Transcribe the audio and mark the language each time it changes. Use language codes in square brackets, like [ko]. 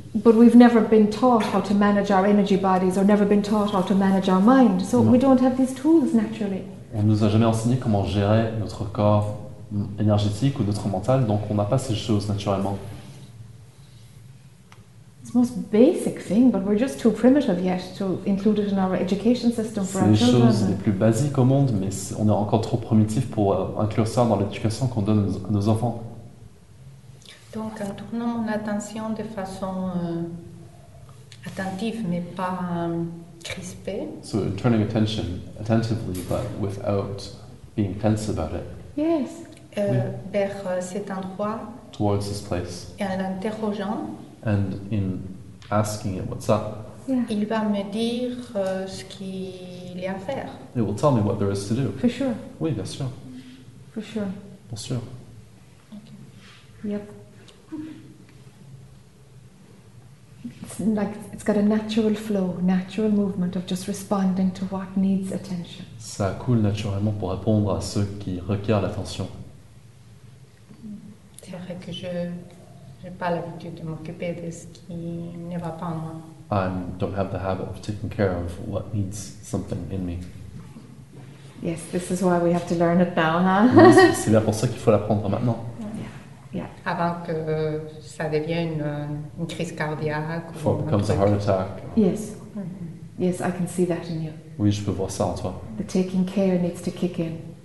[en] But we've never been taught how to manage our energy bodies or never been taught how to manage our mind, so non. We don't have these tools naturally. [fr] On nous a jamais enseigné comment gérer notre corps énergétique ou notre mental, donc on n'a pas ces choses naturellement. [en] It's the most basic thing, but we're just too primitive yet to include it in our education system for our children. [fr] C'est les choses les plus basiques au monde, mais on est encore trop primitif pour inclure ça dans l'éducation qu'on donne à nos enfants. Donc, en tournant mon attention de façon attentive, mais pas crispée. [en] So, turning attention attentively, but without being tense about it. Yes. [fr] Vers cet endroit. [en] Towards this place. [fr] Et en interrogeant. [en] And in asking it, what's up? Yeah. [fr] Il va me dire ce qu'il y a à faire. [en] It will tell me what there is to do. For sure. [fr] Oui, bien sûr. [en] For sure. [fr] Bien sûr. [en] Okay. Yep. It's like it's got a natural flow, natural movement of just responding to what needs attention. [fr] Ça coule naturellement pour répondre à ceux qui requièrent l'attention. C'est vrai que j'ai pas l'habitude de m'occuper de ce qui ne va pas en moi. [en] I don't have the habit of taking care of what needs something in me. Yes, this is why we have to learn it now, huh? [fr] C'est bien pour ça qu'il faut l'apprendre maintenant. [en] Yeah. [fr] Avant que ça devienne une crise cardiaque. [en] Before it becomes a heart attack. Yes. Mm-hmm. Yes, I can see that in you. [fr] Oui, je peux voir ça en toi. [en] The taking care needs to kick in.